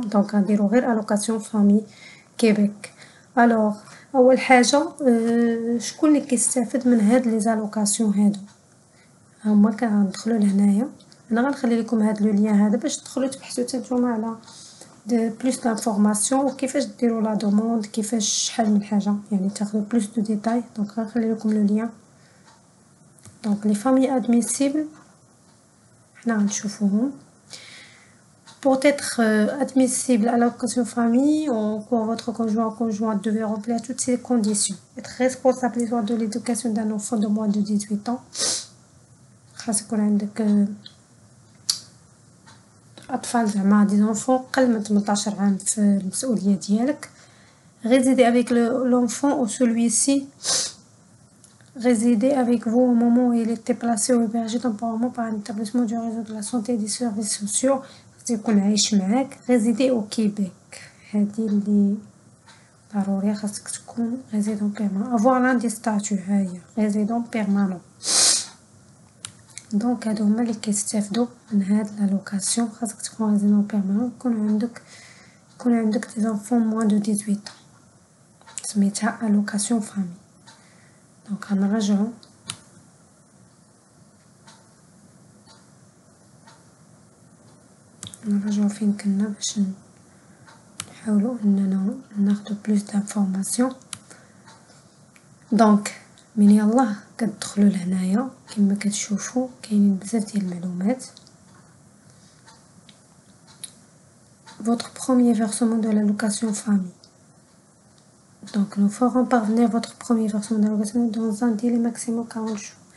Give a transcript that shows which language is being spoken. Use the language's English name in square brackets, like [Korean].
[Arabic] دونك غنديروا غير الوكاسيون فامي كيبيك. الوغ اول حاجه شكون اللي كيستافد من هاد لي زالوكاسيون هادو؟ هما كندخلوا لهنايا، انا غنخلي لكم هاد لو ليان هذا باش تدخلوا تبحثوا نتوما على دي بلوس دانفورماسيون، وكيفاش ديروا لا دوموند، كيفاش شحال من حاجه يعني تاخذوا بلوس دو ديتاي. دونك غنخلي لكم لو ليان. دونك لي فامي ادميسيبل حنا غنشوفوهم [French] pour être admissible à l'allocation famille ou pour votre conjoint ou conjointe devez remplir toutes ces conditions: être responsable de l'éducation d'un enfant de moins de 18 ans. [Arabic] خاصك يكون عندك اطفال زعما دي زونفون قل من 18 عام في المسؤوليه ديالك. [French] résider avec l'enfant ou celui-ci résider avec vous au moment où il est placé ou hébergé temporairement par un établissement du réseau de la santé et des services sociaux. [Arabic] تيكون عايش معاك ريزيدي او كيبيك، هادي اللي ضروري خاصك تكون ريزيدون بيرمانون. افوار لان دي ستاتو هايا ريزيدون بيرمانون. دونك هادو هما اللي كيستافدو من هاد لالوكاسيون، خاصك تكون ريزيدون بيرمانون، يكون عندك دي زونفون موان دو 18 عام، سميتها الوكاسيون فامي. دونك غنرجعو نرجعو فين كنا باش نحاولو اننا ناخدو بلوس دانفورماسيون. دونك من يالله كتدخلو لهنايا كما كتشوفو كاينين بزاف ديال المعلومات. [French] votre premier versement de l'allocation famille. donc nous ferons parvenir votre premier versement de l'allocation dans un délai maximum 40 jours.